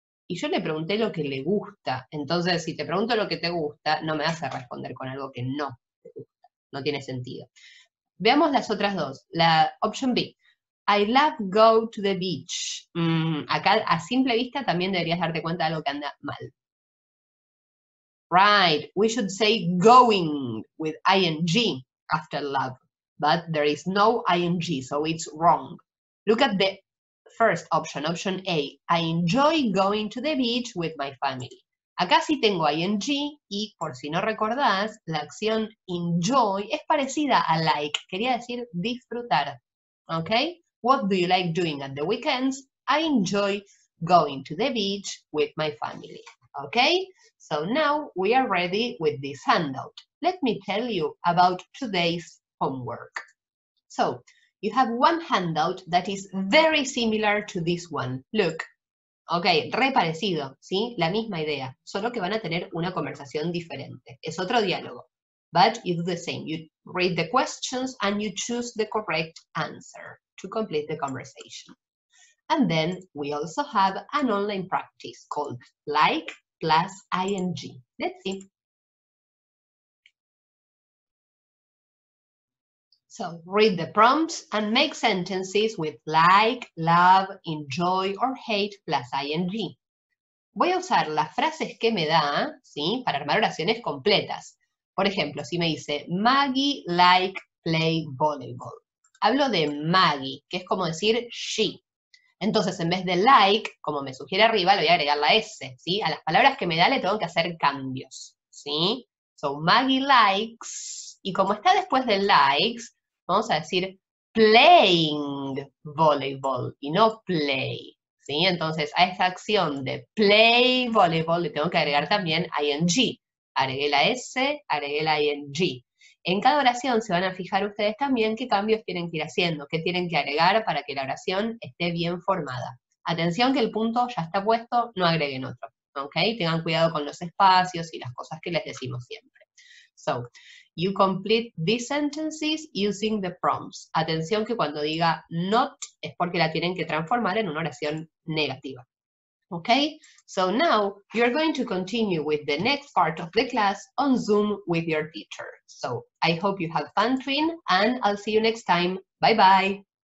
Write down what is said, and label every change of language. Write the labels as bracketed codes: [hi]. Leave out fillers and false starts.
[es] Y yo le pregunté lo que le gusta. Entonces, si te pregunto lo que te gusta, no me vas a responder con algo que no te gusta. No tiene sentido. Veamos las otras dos. La option B. [en] I love go to the beach. [es] Acá, a simple vista, también deberías darte cuenta de algo que anda mal. [en] Right. We should say going with ing after love. But there is no ing, so it's wrong. Look at the first option, option A. I enjoy going to the beach with my family. [es] Acá sí tengo ing, y por si no recordás, la acción enjoy es parecida a like. Quería decir disfrutar. Okay? [en] What do you like doing at the weekends? I enjoy going to the beach with my family. Okay? So now we are ready with this handout. Let me tell you about today's homework. So, you have one handout that is very similar to this one. [es] Look. Okay, re parecido, ¿sí? La misma idea, solo que van a tener una conversación diferente. Es otro diálogo. [en] But you do the same. You read the questions and you choose the correct answer to complete the conversation. And then we also have an online practice called Like plus ING. Let's see. So read the prompts and make sentences with like, love, enjoy or hate plus ING. [es] Voy a usar las frases que me da, ¿sí? Para armar oraciones completas. Por ejemplo, si me dice [en] Maggie like play volleyball. [es] Hablo de Maggie, que es como decir she. Entonces, en vez de like, como me sugiere arriba, le voy a agregar la S, ¿sí? A las palabras que me da le tengo que hacer cambios, ¿sí? [en] So, Maggie likes, [es] y como está después de likes, vamos a decir [en] playing volleyball, [es] y no play, ¿sí? Entonces, a esta acción de [en] play volleyball [es] le tengo que agregar también ing. Agregué la S, agregué la ing. En cada oración se van a fijar ustedes también qué cambios tienen que ir haciendo, qué tienen que agregar para que la oración esté bien formada. Atención que el punto ya está puesto, no agreguen otro, ¿ok? Tengan cuidado con los espacios y las cosas que les decimos siempre. [en] So, you complete these sentences using the prompts. [es] Atención que cuando diga not es porque la tienen que transformar en una oración negativa. [en] Okay, so now you're going to continue with the next part of the class on Zoom with your teacher. So I hope you have fun, Twin, and I'll see you next time. Bye-bye.